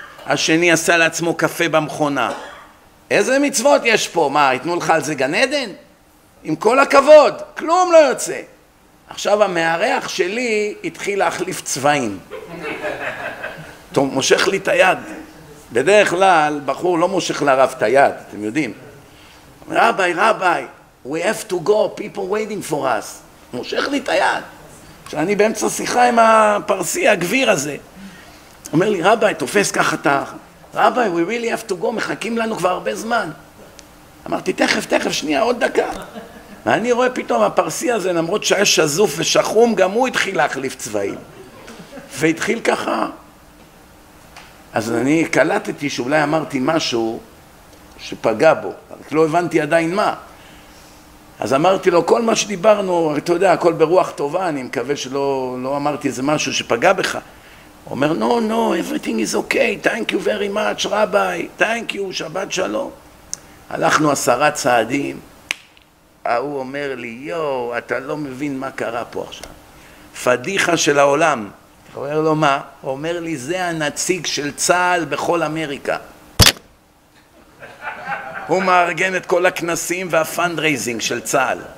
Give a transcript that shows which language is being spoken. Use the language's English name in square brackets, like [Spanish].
[Hebrew] השני עשה לעצמו קפה במכונה. איזה מצוות יש פה? מה, יתנו לך על זה גן עדן? עם כל הכבוד, כלום לא יוצא. עכשיו המערח שלי התחיל להחליף צבעים. טוב, מושך לי את היד. בדרך כלל, בחור לא מושך לרב את היד, אתם יודעים. [English] רבי, רבי, we have to go, people waiting for us. [Hebrew] מושך לי את היד. שאני באמצע שיחה עם הפרסי, הגביר הזה. אומר לי, רבי, תופס ככה את ה... רבי, [English] we really have to go, [Hebrew] מחכים לנו כבר הרבה זמן. אמרתי, תכף, תכף, שנייה, עוד דקה. ואני רואה פתאום הפרסי הזה, למרות שהיה שזוף ושחום, גם הוא התחיל להחליף צבעים. והתחיל ככה. אז אני קלטתי שאולי אמרתי משהו שפגע בו, רק לא הבנתי עדיין מה. אז אמרתי לו, כל מה שדיברנו, אתה יודע, הכל ברוח טובה, אני מקווה שלא לא אמרתי איזה משהו שפגע בך. הוא אומר, [English] no, no, everything is okay, thank you very much, רבי, thank you, [Hebrew] שבת שלום. הלכנו 10 צעדים, הוא אומר לי, יו, אתה לא מבין מה קרה פה עכשיו. פדיחה של העולם. הוא אומר לו, מה? הוא אומר לי, זה הנציג של צה"ל בכל אמריקה. הוא מארגן את כל הכנסים והפנדרייזינג של צה"ל.